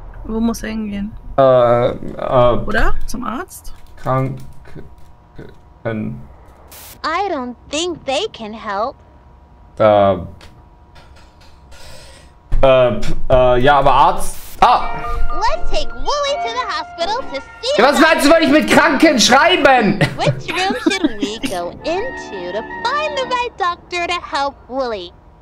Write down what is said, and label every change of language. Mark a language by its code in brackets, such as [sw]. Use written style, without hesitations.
[de] Wo muss er hingehen? Oder? Zum Arzt? Kranken. [en] I don't think they can help. [de] Ja, aber Arzt. Ah! [en] Let's take Wooly to the hospital to see. [de] Ja, was meinst du, wollte ich mit Kranken schreiben? [en] Which room should we go into to find the right doctor to help Wooly?